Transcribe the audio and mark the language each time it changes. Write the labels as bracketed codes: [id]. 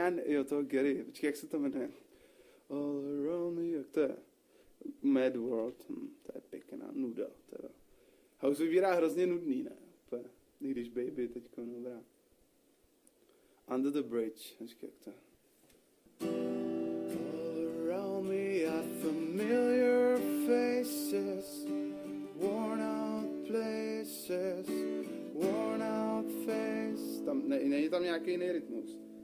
[cs] Jo, to Gary, počkej, jak se to jmenuje? [en] All around me, [cs] jak to je? Mad World, to je pěkná nuda, teda. House vybírá hrozně nudný, ne? To je, když baby, teďko, dobrá. Under the bridge, počkej, jak to je? [en] All around me are familiar faces, worn out places, worn out face. [cs] Tam, není tam nějaký jiný rytmus.